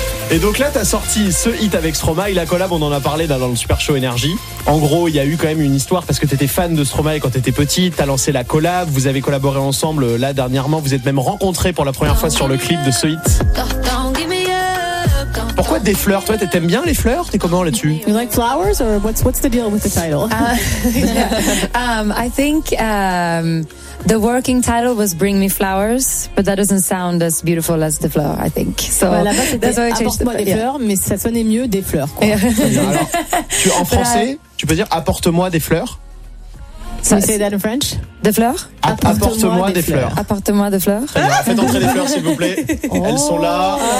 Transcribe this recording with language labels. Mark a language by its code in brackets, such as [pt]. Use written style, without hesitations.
[fr] Et donc là, t'as sorti ce hit avec Stromae. La collab, on en a parlé dans le Super Show Energy. En gros, il y a eu quand même une histoire parce que t'étais fan de Stromae quand t'étais petit. T'as lancé la collab, vous avez collaboré ensemble là dernièrement. Vous êtes même rencontrés pour la première fois sur le clip de ce hit. Pourquoi des fleurs? Toi, t'aimes bien les fleurs? T'es comment là-dessus? [en] You like flowers or what's the deal with the title? I think the working title was Bring Me Flowers, but that doesn't sound as beautiful as the flower, I think. So that's why I changed the title. [fr] Apporte-moi des fleurs, mais ça sonnait mieux des fleurs, quoi. [en] Yeah. [fr] Alors, tu peux dire apporte-moi des fleurs? [en] Can you say that in French? [fr] Des fleurs? Apporte-moi des fleurs. Apporte-moi des fleurs. Faites entrer les fleurs, s'il vous plaît. Oh. Elles sont là.